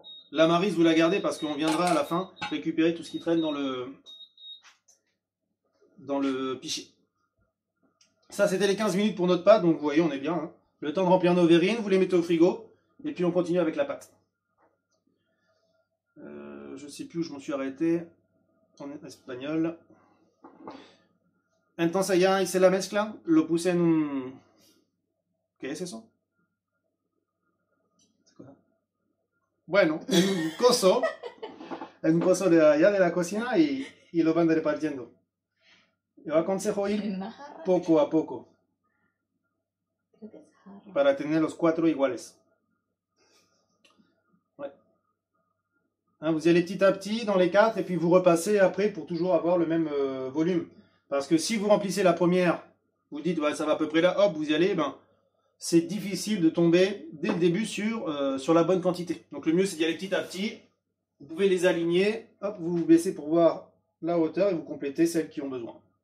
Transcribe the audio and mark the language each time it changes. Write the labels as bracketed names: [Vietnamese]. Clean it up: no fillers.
[French] La maryse, vous la gardez parce qu'on viendra à la fin récupérer tout ce qui traîne dans le pichet. Ça, c'était les 15 minutes pour notre pâte. Donc, vous voyez, on est bien. Hein. Le temps de remplir nos verrines, vous les mettez au frigo. Et puis, on continue avec la pâte. Je ne sais plus où je m'en suis arrêté. En espagnol. [Spanish] Entonces, ya hice la mezcla. Lo puse en un... ¿Qué es eso? Bueno, un coso de allá de la cocina y lo van repartiendo. Yo aconsejo ir poco a poco para tener los cuatro iguales. [French] Ouais. Hein, vous y allez petit à petit dans les quatre et puis vous repassez après pour toujours avoir le même volume. Parce que si vous remplissez la première, vous dites bah, ça va à peu près là, hop, vous y allez, ben. C'est difficile de tomber dès le début sur la bonne quantité. Donc le mieux, c'est d'y aller petit à petit. Vous pouvez les aligner. Hop, vous vous baissez pour voir la hauteur et vous complétez celles qui ont besoin.